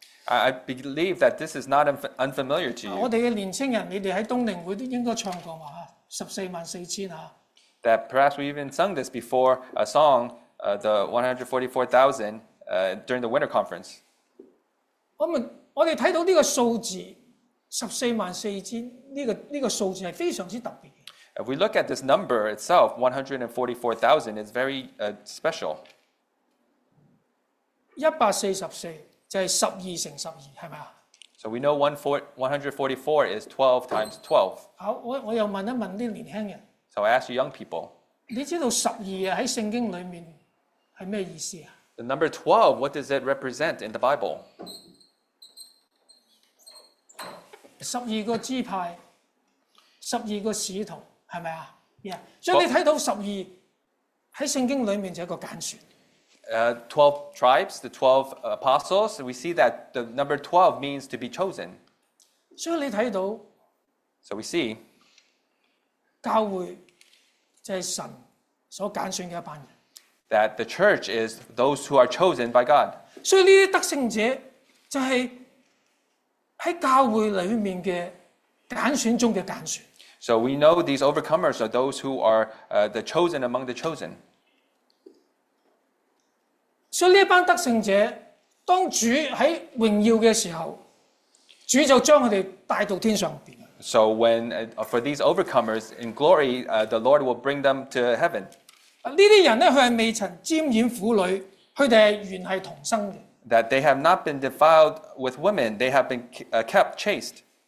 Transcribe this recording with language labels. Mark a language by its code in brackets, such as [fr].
[en] I believe that this is not unfamiliar to you. [zh] 我们的年轻人,你们在东宁会应该唱过吧, 144,000, [en] that perhaps we even sung this before a song, the 144,000, during the winter conference. [zh] 我们看到这个数字, 144,000, [en] if we look at this number itself, 144,000, it's very special. [zh] 144, 就是12×12, 是吧? [en] So we know 144 is 12 times 12. [zh] 好,我又问一问年轻人, [en] so I ask you young people, [zh] 你知道12在圣经里面是什么意思啊? [en] The number 12, what does it represent in the Bible? [zh] 12个支派, 12个使徒, 是吧? [en] Yeah. [zh] 所以你看到12在圣经里面就是一个拣选。 [en] 12 tribes, the 12 apostles, we see that the number 12 means to be chosen. [zh] 所以你看到, [en] so we see, [zh] 教会就是神所拣选的一班人, [en] that the church is those who are chosen by God. [zh] 所以这些得胜者就是在教会里面的拣选中的拣选。 [en] So we know these overcomers are those who are the chosen among the chosen. [zh] 所以这班得胜者,当主在荣耀的时候,主就将他们带到天上。 [en] So when, for these overcomers in glory, the Lord will bring them to heaven. [zh] 这些人,他们未曾沾染妇女,他们原是同生的。 [en] That they have not been defiled with women, they have been kept chaste.